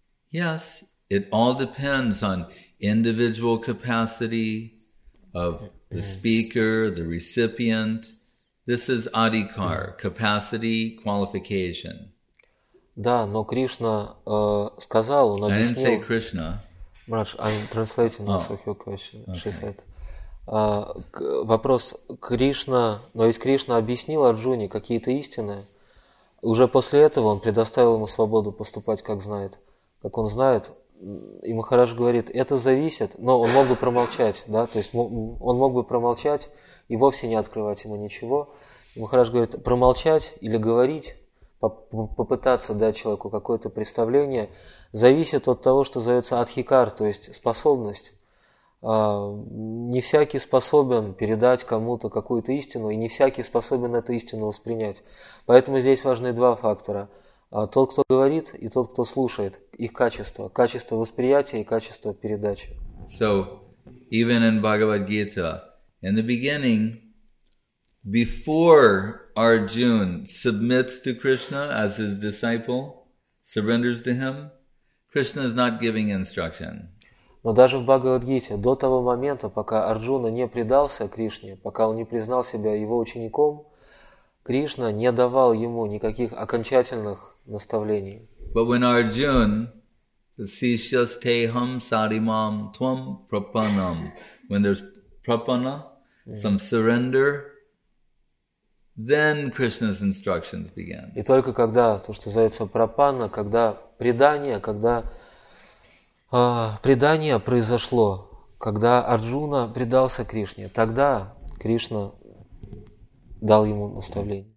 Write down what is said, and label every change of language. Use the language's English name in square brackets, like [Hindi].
[English] Yes, it all depends on individual capacity of the speaker, the recipient. This is adhikar, capacity, qualification. [Russian] Да, но Кришна сказал, он объяснил. [English] I didn't say Krishna. Marsh, I'm translating this for your question. She said. [Russian] Вопрос Кришна, но ведь Кришна объяснил Арджуне какие-то истины. Уже после этого он предоставил ему свободу поступать, как знает, как он знает. И Махарадж говорит, это зависит, но он мог бы промолчать, да, то есть он мог бы промолчать и вовсе не открывать ему ничего. И Махарадж говорит, промолчать или говорить, попытаться дать человеку какое-то представление, зависит от того, что зовется адхикар, то есть способность. Не всякий способен передать кому-то какую-то истину, и не всякий способен эту истину воспринять. Поэтому здесь важны два фактора. Тот, кто говорит, и тот, кто слушает, их качество, качество восприятия и качество передачи. [English] So, even in Bhagavad-gita, in the beginning, before Arjuna submits to Krishna as his disciple, surrenders to him, Krishna is not giving instruction. [Russian] Но даже в Бхагавад-гите, до того момента, пока Арджуна не предался Кришне, пока он не признал себя его учеником, Кришна не давал ему никаких окончательных наставлений. [English] But when Arjuna says, [Sanskrit] "Teham sarimam tvam prapanam," [English] when there's prapana, some surrender, then Krishna's instructions begin. [Russian] И только когда то, что называется прапана, когда предание, когда Предание произошло, когда Арджуна предался Кришне. Тогда Кришна дал ему наставление.